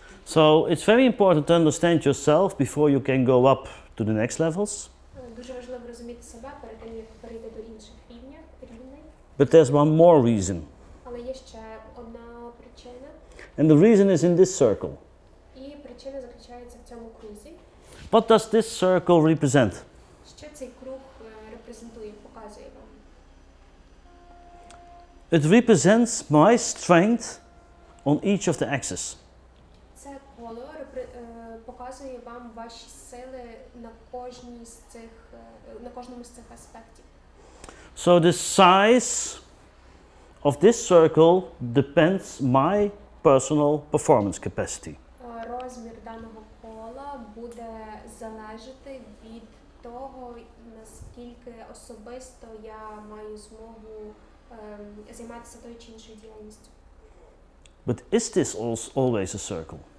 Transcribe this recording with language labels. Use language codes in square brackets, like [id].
[en] So it's very important to understand yourself before you can go up to the next levels. [uk] Дуже важливо розуміти себе перед тим, як перейти до інших рівнів. [en] But there's one more reason. [uk] Але є ще одна причина. [en] And the reason is in this circle. [uk] І причина заключається в цьому кружці. [en] What does this circle represent? [uk] Що цей круг репрезентує, показує? [en] It represents my strength on each of the axes. [uk] Це коло показує вам ваші сили на кожній з цих на кожному з цих аспектів. [en] So the size of this circle depends my personal performance capacity. [uk] Розмір даного кола буде залежати від того, наскільки особисто я маю змогу займатися тою чи іншою діяльністю. [en] But is this always a circle?